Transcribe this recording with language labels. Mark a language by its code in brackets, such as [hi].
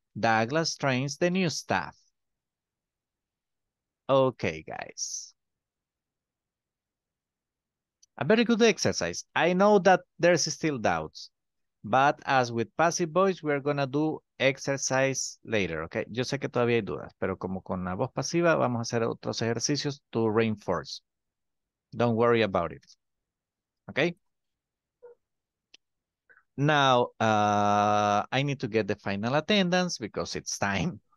[en] Douglas trains the new staff. Okay, guys. A very good exercise. I know that there's still doubts, but as with passive voice, we're going to do exercise later, okay? [es] Yo sé que todavía hay dudas, pero como con la voz pasiva, vamos a hacer otros ejercicios [en] to reinforce. Don't worry about it. Okay? Now, I need to get the final attendance because it's time.